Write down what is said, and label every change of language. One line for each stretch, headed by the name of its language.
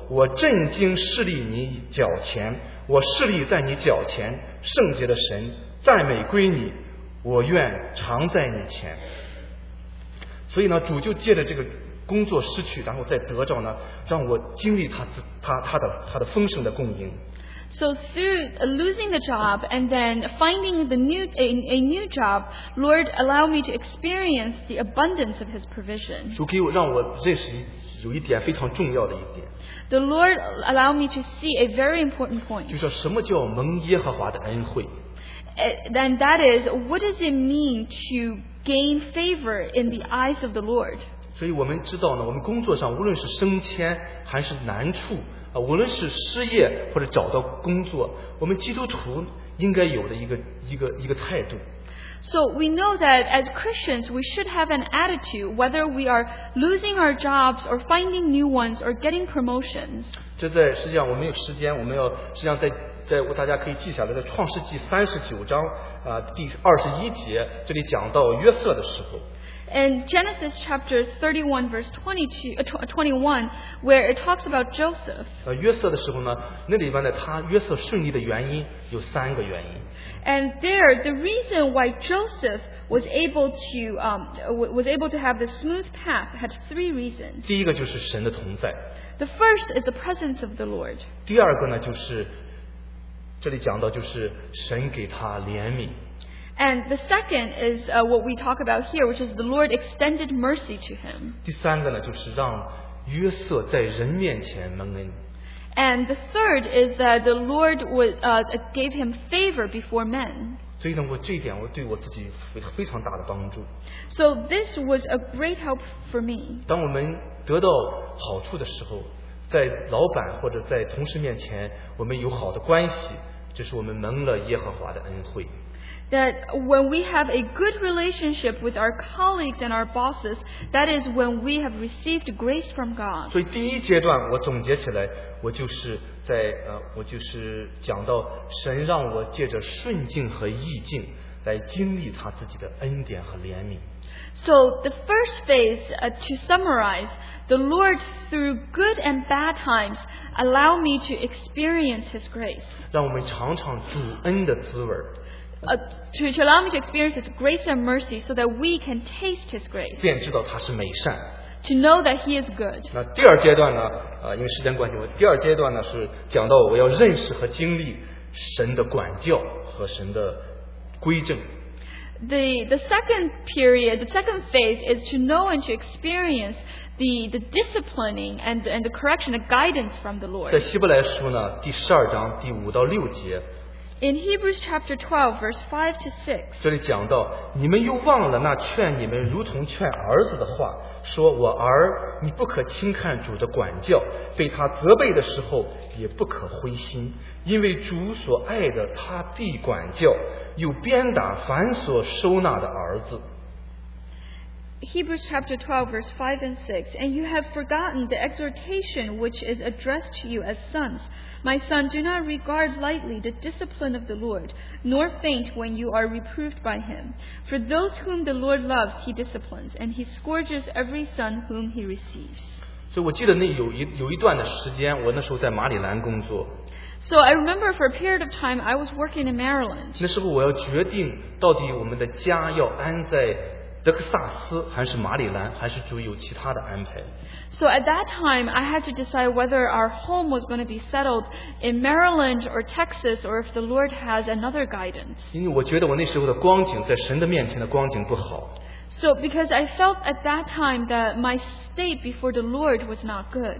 Chinese: 我震惊侍立你脚前，我侍立在你脚前，圣洁的神，赞美归你，我愿常在你前。所以呢，主就借着这个工作失去，然后再得着呢，让我经历他的丰盛的供应。
English: So through losing the job and then finding a new job, Lord, allow me to experience the abundance of His provision.
Chinese: 主给我让我认识有一点非常重要的一点。
English: The Lord allow me to see a very important point.
Chinese: 就是什么叫蒙耶和华的恩惠。
English: And that is, what does it mean to gain favor in the eyes of the Lord?
Chinese: 所以我们知道呢，我们工作上无论是升迁还是难处啊，无论是失业或者找到工作，我们基督徒应该有的一个态度。
English: So we know that as Christians, we should have an attitude whether we are losing our jobs or finding new ones or getting promotions.
Chinese: 这在实际上我们有时间，我们要实际上在大家可以记下来，在创世纪39章第21节这里讲到约瑟的时候。
English: In Genesis chapter 31 verse 21, where it talks about Joseph.
Chinese: 约瑟的时候呢，那里边呢，他约瑟顺利的原因有三个原因。
English: And there, the reason why Joseph was able to have the smooth path had three reasons.
Chinese: 第一个就是神的同在。
English: The first is the presence of the Lord.
Chinese: 第二个呢，就是这里讲到就是神给他怜悯。
English: And the second is what we talk about here, which is the Lord extended mercy to him.
Chinese: 第三个呢，就是让约瑟在人面前蒙恩。
English: And the third is that the Lord gave him favor before men.
Chinese: 所以呢，我这一点我对我自己非常大的帮助。
English: So this was a great help for me.
Chinese: 当我们得到好处的时候，在老板或者在同事面前，我们有好的关系，这是我们蒙了耶和华的恩惠。
English: That when we have a good relationship with our colleagues and our bosses, that is when we have received grace from God.
Chinese: 所以第一阶段我总结起来，我就是在我就是讲到神让我借着顺境和逆境来经历他自己的恩典和怜悯。
English: So the first phase, to summarize, the Lord through good and bad times allow me to experience His grace.
Chinese: 让我们尝尝主恩的滋味。
English: To allow me to experience His grace and mercy so that we can taste His grace.
Chinese: 便知道他是美善。
English: To know that He is good.
Chinese: 那第二阶段呢，因为时间关系，第二阶段呢是讲到我要认识和经历神的管教和神的规正。
English: The second period, the second phase is to know and to experience the disciplining and the correction, the guidance from the Lord.
Chinese: 在希伯来书呢，第12章第5到6节。
English: In Hebrews chapter 12, verse 5 to 6,
Chinese: 这里讲到, 你们又忘了那劝你们如同劝儿子的话, 说我儿, 你不可轻看主的管教, 被他责备的时候, 也不可灰心, 因为主所爱的, 他必管教, 有鞭打凡所收纳的儿子。
English: Hebrews chapter 12, verse 5 and 6, And you have forgotten the exhortation which is addressed to you as sons. My son, do not regard lightly the discipline of the Lord, nor faint when you are reproved by him. For those whom the Lord loves, he disciplines, and he scourges every son whom he receives.
Chinese: 所以我记得那有一段的时间，我那时候在马里兰工作。
English: So I remember for a period of time, I was working in Maryland.
Chinese: 那时候我要决定到底我们的家要安在 德克萨斯还是马里兰，还是主有其他的安排。
English: So at that time, I had to decide whether our home was going to be settled in Maryland or Texas, or if the Lord has another guidance.
Chinese: 因为我觉得我那时候的光景，在神的面前的光景不好。
English: So because I felt at that time that my state before the Lord was not good.